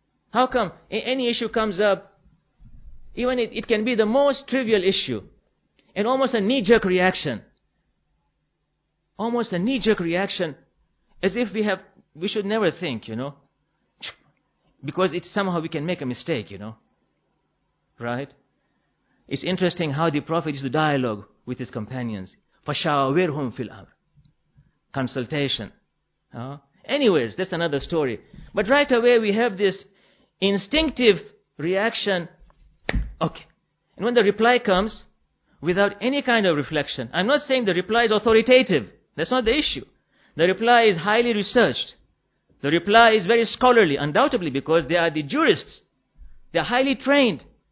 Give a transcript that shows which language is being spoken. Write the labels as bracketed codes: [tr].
[en] How come any issue comes up, even it can be the most trivial issue, and almost a knee-jerk reaction. Almost a knee-jerk reaction, as if we should never think, you know. Because it's somehow we can make a mistake, you know. Right? It's interesting how the Prophet used to dialogue with his companions. [ar] فَشَاوِرْهُمْ فِي الْأَمْرِ [en] Consultation. Anyways, that's another story. But right away we have this instinctive reaction. Okay. And when the reply comes, without any kind of reflection, I'm not saying the reply is authoritative. That's not the issue. The reply is highly researched. The reply is very scholarly, undoubtedly, because they are the jurists. They are highly trained.